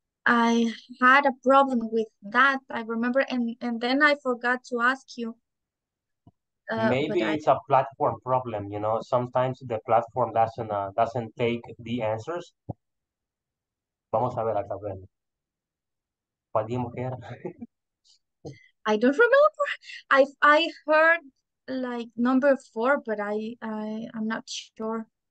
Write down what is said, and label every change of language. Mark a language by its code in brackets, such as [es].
[en] I had a problem with that, I remember, and then I forgot to ask you. Maybe it's a platform problem, you know, sometimes the platform doesn't take the answers. [es] Vamos a ver acá, ¿cuál dijimos que era? [en] I don't remember. I heard like number 4, but I'm not sure.